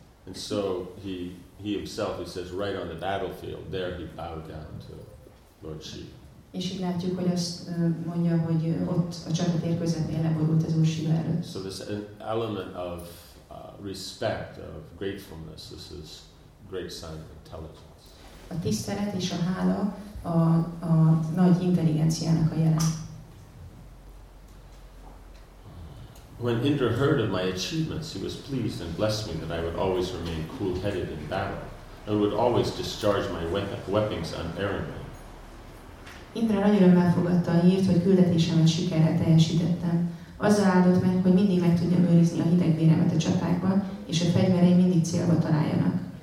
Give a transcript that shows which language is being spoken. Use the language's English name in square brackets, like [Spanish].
[English] And so he himself, he says, right on the battlefield, there he bowed down to Lord Shiva. [Hungarian] És így látjuk, hogy azt mondja, hogy ott a csatatér közepén leborult az Úr Shiva előtt. [English] So this element of respect, of gratefulness, this is great sign of intelligence. [Hungarian] A tisztelet és a hála a nagy intelligenciának a jele. [English] When Indra heard of my achievements, he was pleased and blessed me that I would always remain cool-headed in battle and would always discharge my weapons unerringly. [Hungarian] Indra nagyon örömmel fogadta a hírt, hogy küldetésemet sikerrel teljesítettem. Azzal áldott meg, hogy mindig meg tudjam őrizni a hideg véremet a csatákban, és a fegyvereim mindig célba találjanak.